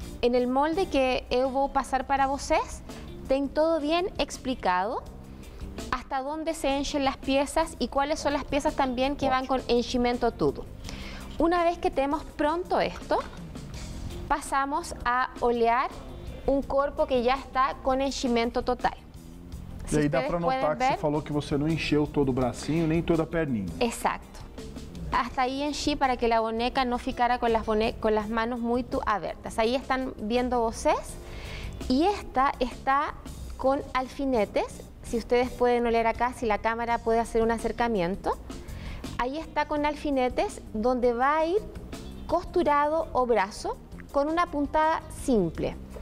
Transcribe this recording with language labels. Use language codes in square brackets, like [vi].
[es] En el molde que yo voy a pasar para vocês, tengo todo bien explicado hasta dónde se enchen las piezas y cuáles son las piezas también que van con enchimento todo. Una vez que tenemos pronto esto, pasamos a olear un cuerpo que ya está con enchimento total. Y ahí da para notar [pt] que você falou que você não encheu todo o bracinho, nem toda a perninha. [es] Exacto. hasta ahí en sí para que la boneca no ficara con las manos muy abiertas. Ahí están viendo voces y esta está con alfinetes. Si ustedes pueden oler acá, si la cámara puede hacer un acercamiento. Ahí está con alfinetes donde va a ir costurado o brazo con una puntada simple.